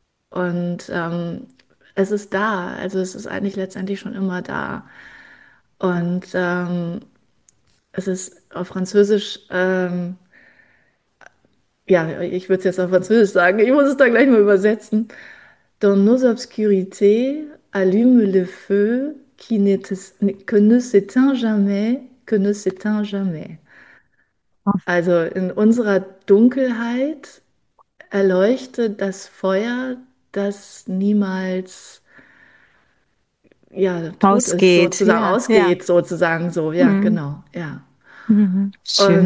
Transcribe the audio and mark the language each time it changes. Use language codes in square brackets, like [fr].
[de] Und es ist da. Also es ist eigentlich letztendlich schon immer da. Und es ist auf Französisch. Ja, ich würde es jetzt auf Französisch sagen. Ich muss es da gleich mal übersetzen. [fr] Dans nos obscurités, allume le feu, qui ne s'éteint jamais, que ne s'éteint jamais. [de] Also in unserer Dunkelheit erleuchtet das Feuer, das niemals ja, tot ist, Ausgeht, sozusagen ja. ausgeht, sozusagen so. Ja, genau, ja. Schön.